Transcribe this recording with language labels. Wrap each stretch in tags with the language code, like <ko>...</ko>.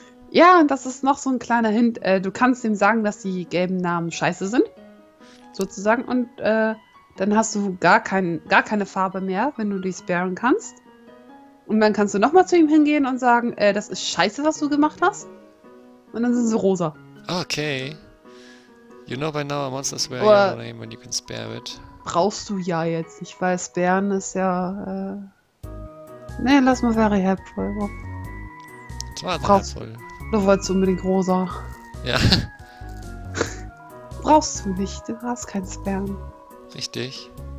<de>Ja, und das ist noch so ein kleiner Hint. Du kannst ihm sagen, dass die gelben Namen scheiße sind. Sozusagen. Und, dann hast du gar keine Farbe mehr, wenn du die sparen kannst. Und dann kannst du nochmal zu ihm hingehen und sagen, das ist scheiße, was du gemacht hast. Und dann sind sie rosa. Okay.</de> <en>You know by now a monster's wearing your name when you can spare it.</en> <de>Brauchst du ja jetzt nicht, weil sparen ist ja... Nee, lass mal</de> <en>very helpful.</en> <de>Das war helpful. Du wolltest unbedingt rosa. Ja. Brauchst du nicht, du hast kein sparen. Richtig.</de>